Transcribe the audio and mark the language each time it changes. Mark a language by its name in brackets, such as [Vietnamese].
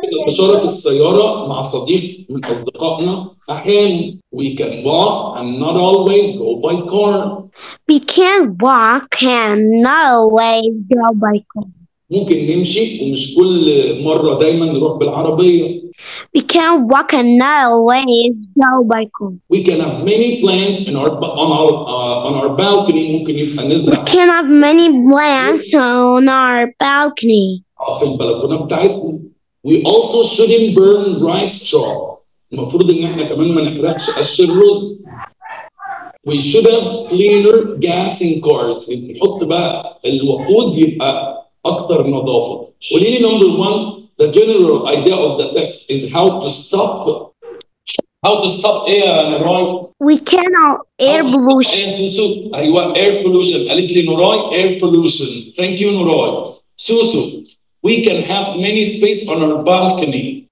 [Arabic] نشارك السيارة مع صديق من أصدقائنا أحيانا. [English] We can walk and not always go by car. We can walk and not always go by car. [Arabic] ممكن نمشي ومش كل مرة دايما نروح بالعربية. [English] We can walk and not always go by car. We can have many plants in our on our balcony. [Arabic] ممكن يبقى نزرع. [English] We can have many plants on our balcony. [Arabic] في البلكونة بتاعتنا. [English] We also shouldn't burn rice straw. [Arabic] المفروض ان احنا كمان ما نحرقش قش الرز. [English] We should have cleaner gas in cars. [Arabic] نحط بقى الوقود يبقى أكثر نظافة. قوليلي [English] number one, the general idea of the text is how to stop. How to stop air and Nuray? We cannot air pollution. Susu, [Arabic] أيوة [English] air pollution. [Arabic] قالتلي [English] Nuray air pollution. Thank you Nuray. Susu, we can have many space on our balcony.